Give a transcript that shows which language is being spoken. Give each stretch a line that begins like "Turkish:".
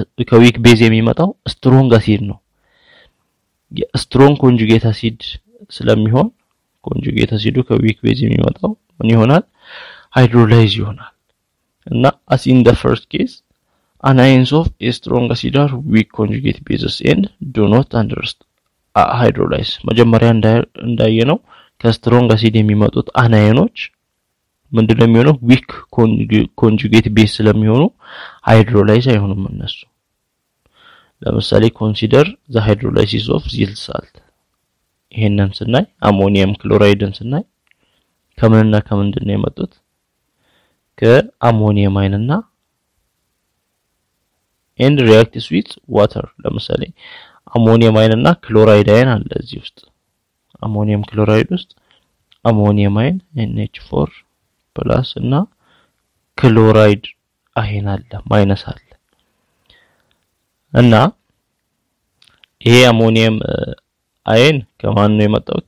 Amharic: ከዊክ ቤዝ የሚመጣው ስትሮንግ አሲድ ነው። የስትሮንግ ኮንጁጌት አሲድ ስለሚሆን ኮንጁጌት አሲዱ ከዊክ ቤዝ የሚመጣው ምን ይሆናል? ሃይድሮላይዝ ይሆናል። እና
English: as in the first case, anions of a strong acid are weak conjugate bases and do not hydrolyze.
Amharic: መጀመሪያ እንዳየነው ከስትሮንግ አሲድ የሚመጡት አናዮኖች ምንድን ነው የሚሆነው?
English: weak conjugate base
Amharic: ስለሚሆኑ ሃይድሮላይዝ አይሆኑም እነሱ። ለምሳሌ
English: consider the hydrolysis of zinc salt.
Amharic: ይሄንን ስናይ አሞኒየም ክሎራይድን ስናይ ከምንና ከምንድን ነው የመጡት? ከአሞኒየም አይንና
English: and react with water.
Amharic: ለምሳሌ አሞኒየም አይንና ክሎራይድ አይን አለ እዚህ ውስጥ። አሞኒየም ክሎራይድ ውስጥ አሞኒየም አይን NH4 plus እና ክሎራይድ አይን አለ ማይነስ አለ። እና ይሄ አሞኒየም አይን ከማን ነው የመጣው?